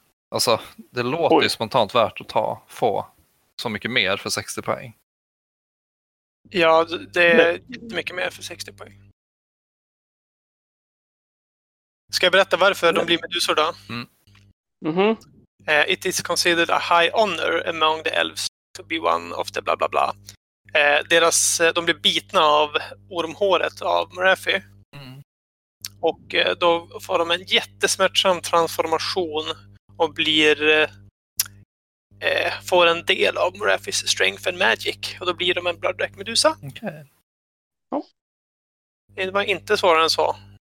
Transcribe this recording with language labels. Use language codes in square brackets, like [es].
[sv] Alltså, det låter ju spontant värt att få så mycket mer för 60 poäng. Ja, det är jättemycket mer för 60 poäng. Ska jag berätta varför de blir medusor då? [en] It is considered a high honor among the elves to be one of the bla bla bla. [sv] De blir bitna av ormhåret av Murphy. Och då får de en jättesmärtsam transformation och blir får en del av Murphys [en] strength and magic [sv] och då blir de en blood drake medusa. Okej. Okay. Ja. Det var inte svårare än så.